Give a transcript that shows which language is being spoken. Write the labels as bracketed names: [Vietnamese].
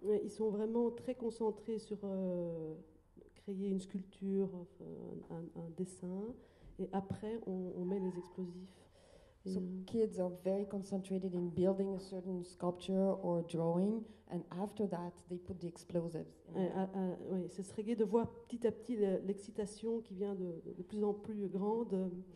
[French] Ils sont vraiment très concentrés sur créer une sculpture, un dessin, et après on met les explosifs. [English] So kids are very concentrated in building a certain sculpture or drawing, and after that they put the explosives. [French] Oui, c'est serait de voir petit à petit l'excitation qui vient de plus en plus grande.